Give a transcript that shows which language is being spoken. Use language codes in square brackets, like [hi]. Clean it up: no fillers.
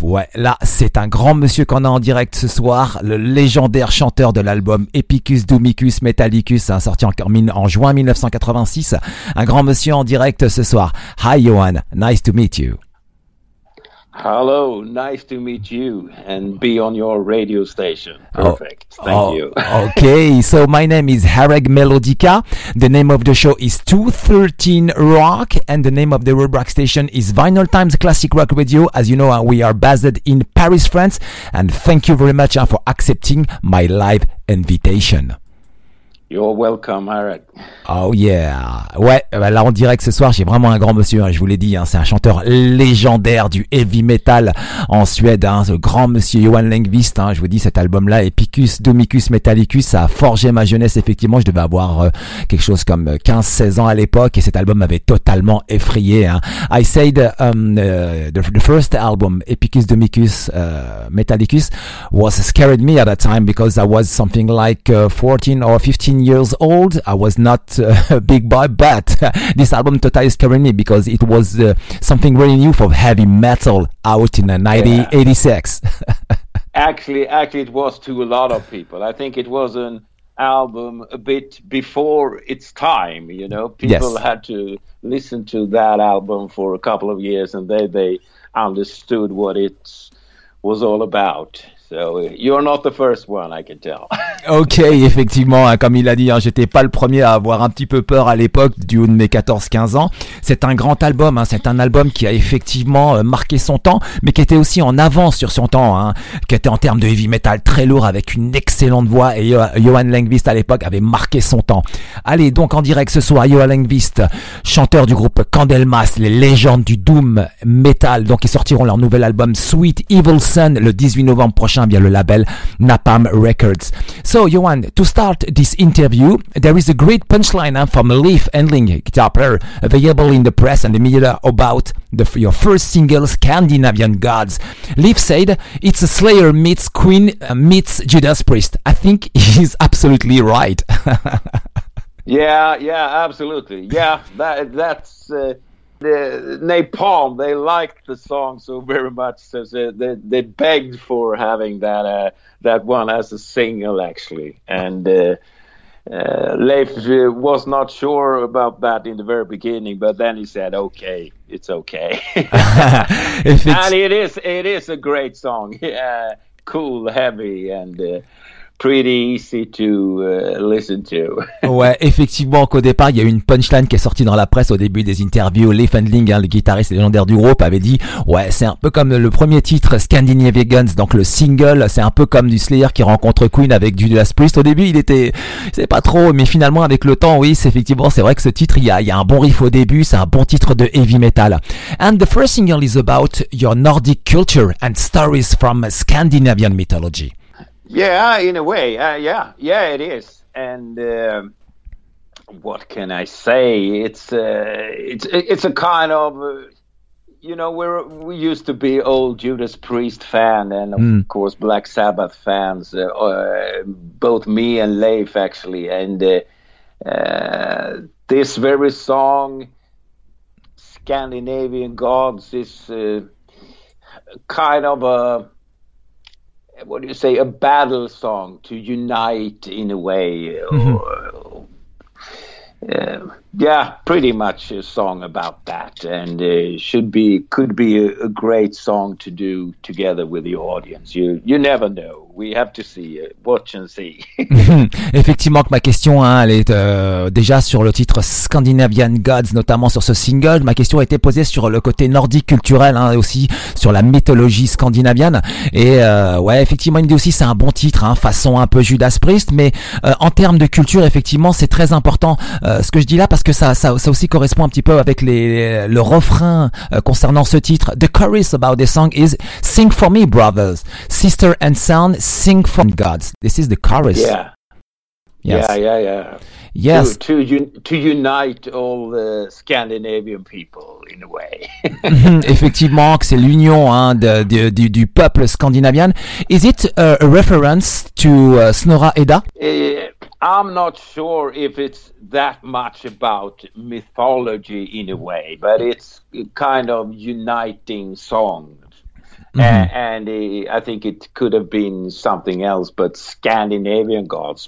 [fr] Ouais, là c'est un grand monsieur qu'on a en direct ce soir, le légendaire chanteur de l'album Epicus Dumicus Metallicus, hein, sorti en juin 1986. Un grand monsieur en direct ce soir. [en] Hi Johan, nice to meet you. Hello, nice to meet you and be on your radio station. Perfect, thank you. Okay, so my name is Hereg Melodica. The name of the show is 213 Rock and the name of the Rebrack station is Vinyl Times Classic Rock Radio. As you know, we are based in Paris, France. And thank you very much for accepting my live invitation. You're welcome, Hereg. Oh yeah. [fr] Ouais, là en direct ce soir, j'ai vraiment un grand monsieur, hein, je vous l'ai dit, hein, c'est un chanteur légendaire du heavy metal en Suède, hein, ce grand monsieur Johan Lankwist, hein, je vous dis, cet album-là, Epicus Dumicus Metallicus, ça a forgé ma jeunesse, effectivement, je devais avoir quelque chose comme 15-16 ans à l'époque, et cet album m'avait totalement effrayé. Hein. [en] I said the first album, Epicus Dumicus Metallicus, was scared me at that time, because I was something like 14 or 15 years old, I was not a big boy, but this album totally scared me because it was something really new for heavy metal out in the 1986. Actually, it was to a lot of people. I think it was an album a bit before its time, you know. People had to listen to that album for a couple of years and they understood what it was all about. So you're not the first one, I can tell. [fr] Ok, effectivement, hein, comme il a dit, hein, j'étais pas le premier à avoir un petit peu peur à l'époque du haut de mes 14-15 ans. C'est un grand album, hein, c'est un album qui a effectivement marqué son temps, mais qui était aussi en avance sur son temps, hein, qui était en termes de heavy metal très lourd avec une excellente voix, et Johan Lankwist à l'époque avait marqué son temps. Allez, donc en direct ce soir, Johan Lankwist, chanteur du groupe Candlemass, les légendes du doom metal, donc ils sortiront leur nouvel album Sweet Evil Sun le 18 novembre prochain via le label Napalm Records. [en] So, Johan, to start this interview, there is a great punchline from Leif Endling, guitar player, available in the press and the media about your first single, Scandinavian Gods. Leif said, it's a Slayer meets Queen meets Judas Priest. I think he's absolutely right. yeah, absolutely. Yeah, that's... Napalm, they liked the song so very much, so they begged for having that that one as a single, actually. And Leif was not sure about that in the very beginning, but then he said, okay, it's okay. And it is a great song. Yeah, cool, heavy, and pretty easy to listen to. [fr] Ouais, effectivement, qu'au départ, il y a eu une punchline qui est sortie dans la presse au début des interviews. Leif Endling, hein, le guitariste légendaire du groupe, avait dit, ouais, c'est un peu comme le premier titre, Scandinavian Gods, donc le single, c'est un peu comme du Slayer qui rencontre Queen avec Judas Priest. Au début, c'est pas trop, mais finalement, avec le temps, oui, c'est vrai que ce titre, il y a un bon riff au début, c'est un bon titre de heavy metal. [en] And the first single is about your Nordic culture and stories from Scandinavian mythology. Yeah, in a way, yeah, it is. And what can I say? It's a kind of, you know, we used to be old Judas Priest fan, and of course Black Sabbath fans. Both me and Leif, actually, and this very song, Scandinavian Gods, is kind of a. What do you say? A battle song to unite in a way. Yeah, pretty much a song about that, and could be a great song to do together with the audience. You never know. We have to see, watch and see. [fr] Effectivement, ma question, hein, elle est déjà sur le titre Scandinavian Gods, notamment sur ce single. Ma question a été posée sur le côté nordique culturel, hein, aussi sur la mythologie scandinavienne. Et ouais, effectivement, il dit aussi c'est un bon titre, hein, façon un peu Judas Priest, mais en termes de culture, effectivement, c'est très important. Ce que je dis là, parce que ça aussi correspond un petit peu avec le refrain concernant ce titre. [en] The chorus about the song is "Sing for me, brothers, sister and sound, sing for gods." This is the chorus. Yeah, Yes. To unite all the Scandinavian people in a way. [fr] Effectivement, que c'est l'union hein, du peuple scandinavien. [en] Is it a reference to Snorra Edda? I'm not sure if it's that much about mythology in a way, but it's kind of uniting song. Mm-hmm. And I think it could have been something else, but Scandinavian gods.